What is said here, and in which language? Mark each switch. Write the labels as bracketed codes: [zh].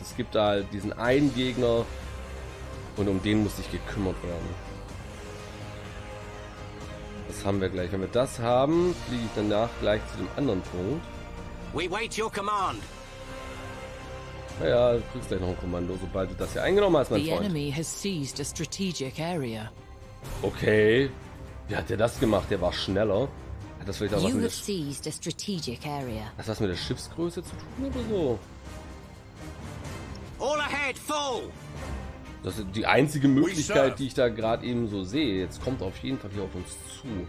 [de] Es gibt da halt diesen einen Gegner und um den muss ich gekümmert werden. Das haben wir gleich. Wenn wir das haben, fliege ich danach gleich zu dem anderen Punkt. [en] We wait your command. [de] Naja, du kriegst gleich noch ein Kommando, sobald du das hier eingenommen hast, mein Freund. [en] The enemy has seized a strategic area. [de] Okay. Wie hat der das gemacht? Der war schneller. Hat das vielleicht auch was mit der strategic area. Hat das mit der Schiffsgröße zu tun oder so? [en] All ahead, full! [de] Das ist die einzige Möglichkeit, die ich da gerade eben so sehe. Jetzt kommt auf jeden Fall hier auf uns zu.